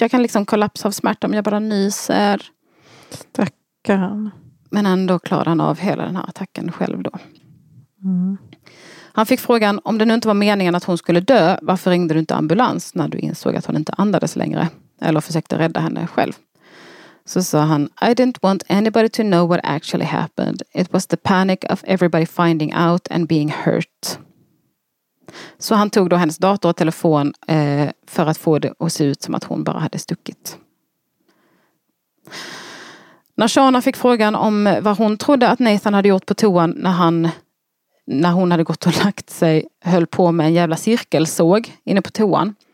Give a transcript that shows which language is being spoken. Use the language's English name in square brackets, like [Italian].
[Swedish] Jag kan liksom kollapsa av smärta om jag bara nyser. Stackaren. Men ändå klarade han av hela den här attacken själv då. Mm. Han fick frågan, om det nu inte var meningen att hon skulle dö, varför ringde du inte ambulans när du insåg att hon inte andades längre? Eller försökte rädda henne själv. Så sa han, [English] I didn't want anybody to know what actually happened. It was the panic of everybody finding out and being hurt. [Swedish] Så han tog då hennes dator och telefon för att få det att se ut som att hon bara hade stuckit. När Shauna fick frågan om vad hon trodde att Nathan hade gjort på toan när hon hade gått och lagt sig, höll på med en jävla cirkelsåg inne på toan.